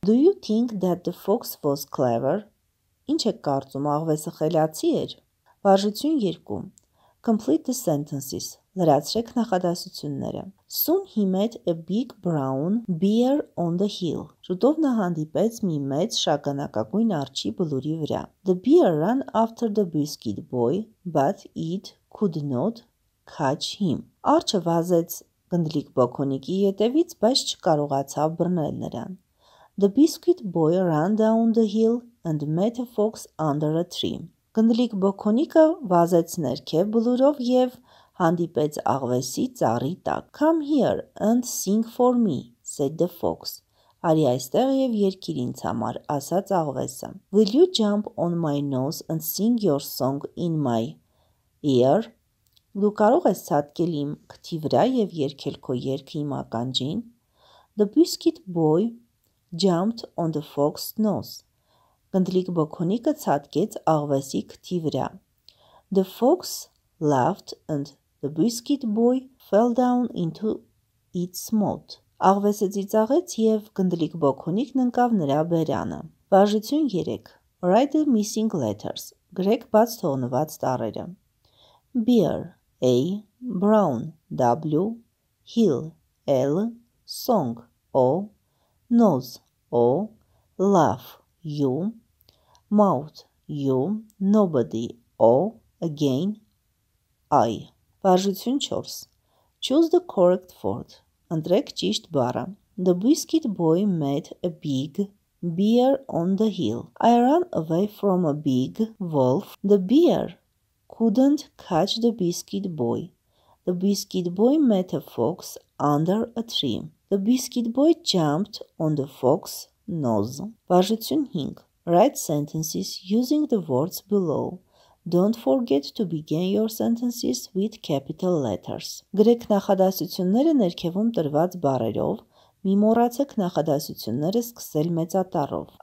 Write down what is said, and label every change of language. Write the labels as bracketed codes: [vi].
[en] Do you think that the fox was clever? [hy] Ինչ եք կարծում, աղվեսը խելացի էր? Վարժություն 2. [en] Complete the sentences. [hy] Լրացրեք նախադասությունները. [en] Soon he met a big brown bear on the hill. [hy] Շուտով նա հանդիպեց մի մեծ շագանակագույն արջի բլուրի վրա. [en] The bear ran after the biscuit boy, but it could not catch him. [hy] Արջը վազեց գնդլիկ բոքոնիկի ետևից, բայց չկարողացավ բռնել նրան. [en] The biscuit boy ran down the hill and met a fox under a tree. [hy] Գնդլիկ բոքոնիկը վազեց ներքև բլուրով և հանդիպեց աղվեսի ծառի տակ. [en] Come here and sing for me, said the fox. [hy] Արի այստեղ և երգիր ինձ համար, ասաց աղվեսը. [en] Will you jump on my nose and sing your song in my ear? [hy] Դու կարող ես ցատկել իմ քթի վրա և երգել քո երգը իմ ականջին? [en] The biscuit boy jumped on the fox's nose. [hy] Գնդլիկ բոքոնիկը ցատկեց աղվեսի քթի վրա. [en] The fox laughed and the biscuit boy fell down into its mouth. [hy] Աղվեսը ծիծաղեց և գնդլիկ բոքոնիկն ընկավ նրա բերանը. Վարժություն 3. [en] Write the missing letters. [hy] Գրեք բաց թողնված տառերը. [en] Beer A. Brown W. Hill L. Song O. Nose O. Laugh U. Mouth U. Nobody O. Again I. [hy] Վարժություն 4. [en] Choose the correct word. [hy] Ընտրեք ճիշտ բառը. [en] The biscuit boy met a big bear on the hill. I ran away from a big wolf. The bear couldn't catch the biscuit boy. The biscuit boy met a fox under a tree. The biscuit boy jumped on the fox's nose. [hy] Վարժություն 5. [en] Write sentences using the words below. Don't forget to begin your sentences with capital letters. [hy] Գրեք նախադասությունները ներքևում տրված բառերով, մի մոռացեք նախադասությունները սկսել մեծատառով.